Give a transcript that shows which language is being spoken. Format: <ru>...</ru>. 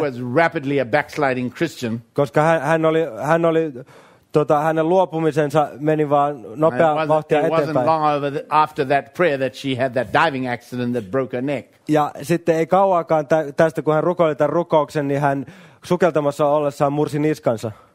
<en>She was rapidly a backsliding Christian.</en> <fi>Koska hän oli hänen luopumisensa meni vaan nopea vauhtia eteenpäin.</fi> <en>It wasn't long after that prayer that she had that diving accident that broke her neck.</en> <fi>Ja sitten ei kauankaan tästä, kun hän rukoili tämän rukouksen, niin hän sukeltamassa ollessaan mursi niskansa.</fi>